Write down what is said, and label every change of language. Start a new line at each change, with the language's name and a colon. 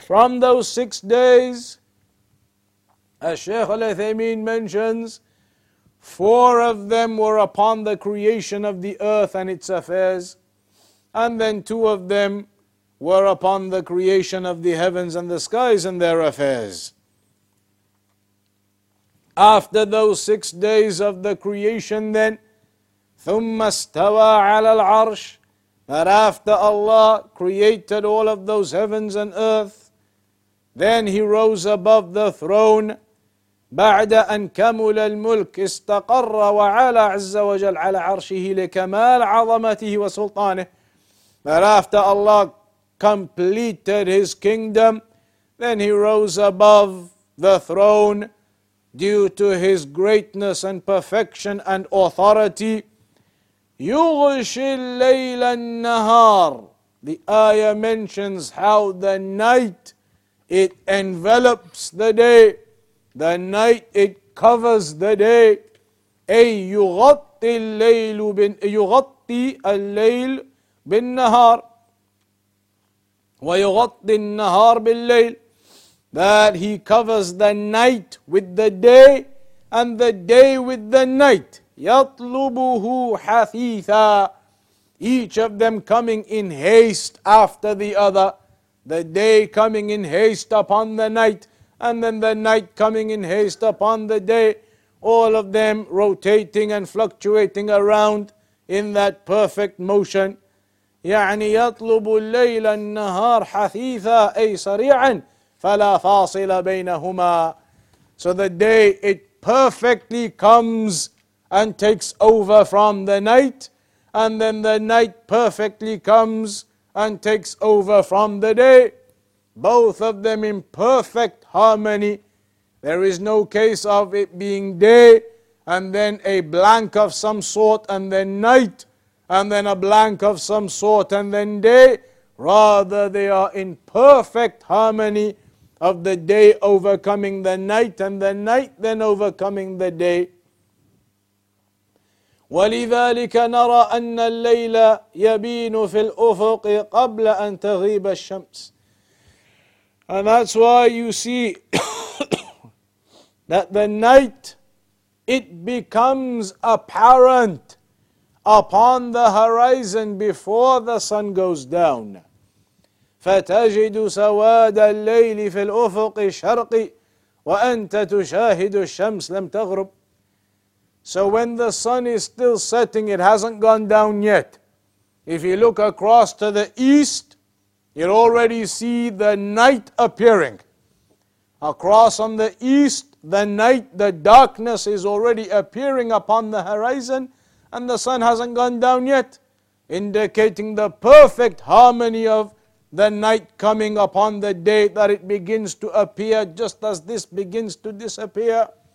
English: From those 6 days, as Shaykh Al-Uthaymeen mentions, four of them were upon the creation of the earth and its affairs, and then two of them were upon the creation of the heavens and the skies and their affairs. After those 6 days of the creation then,
Arabic: ثُمَّ اسْتَوَى عَلَى الْعَرْشِ,
English: that after Allah created all of those heavens and earth, Then he rose above the throne.
Arabic: بعد أن كمل الملك استقر وعلى عز وجل على عرشه لكمال عظمته وسلطانه.
English: But after Allah completed his kingdom, then he rose above the throne due to his greatness and perfection and authority.
Arabic: يغشي الليل النهار.
English: The ayah mentions how the night, it envelops the day. The night, it covers the day.
Arabic: أي يغطي الليل بن يغطي الليل بالنهار ويغطي النهار بالليل.
English: That he covers the night with the day and the day with the night.
Arabic: يطلبه حثيثا.
English: Each of them coming in haste after the other. The day coming in haste upon the night, and then the night coming in haste upon the day, all of them rotating and fluctuating around in that perfect motion.
Arabic: يعني يطلب الليل النهار حثيثا أي سريعا فلا فاصل بينهما.
English: So the day, it perfectly comes and takes over from the night, and then the night perfectly comes and takes over from the day. Both of them in perfect harmony. There is no case of it being day and then a blank of some sort and then night and then a blank of some sort and then day. Rather, they are in perfect harmony of the day overcoming the night and the night then overcoming the day.
Arabic: ولذلك نرى أن الليل يبين في الأفق قبل أن تغيب الشمس.
English: And that's why you see that the night, it becomes apparent upon the horizon before the sun goes down.
Arabic: فتجد سواد الليل في الأفق الشرقي وأنت تشاهد الشمس لم تغرب.
English: So when the sun is still setting, it hasn't gone down yet. If you look across to the east, you already see the night appearing. Across on the east, the night, the darkness is already appearing upon the horizon, and the sun hasn't gone down yet, indicating the perfect harmony of the night coming upon the day, that it begins to appear just as this begins to disappear.